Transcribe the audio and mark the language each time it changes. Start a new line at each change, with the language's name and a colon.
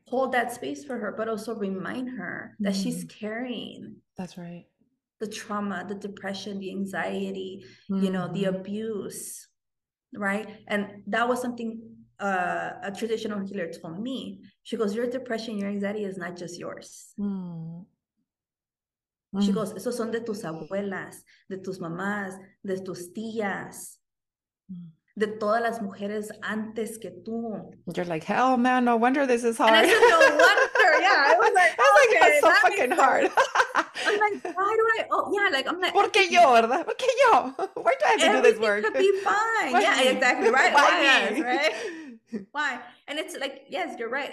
English: Hold that space for her, but also remind her that she's carrying. That's right. The trauma, the depression, the anxiety, mm-hmm. you know, the abuse, right? And that was something a traditional healer told me. She goes, your depression, your anxiety is not just yours. Mm-hmm. She goes,
Spanish: esos son de tus abuelas, de tus mamás, de tus tías, de todas las mujeres antes que tú.
English: You're like, hell, man, no wonder this is hard. And I said, no wonder, yeah. I was like, that's so fucking hard. I'm like, why do I? Oh, yeah, like, I'm like,
Spanish: ¿por qué yo, verdad? ¿Por qué yo?
English: Why do I have to do this work? Everything could be fine. Yeah, exactly, right? Why me? Right? Why? And it's like, yes, you're right.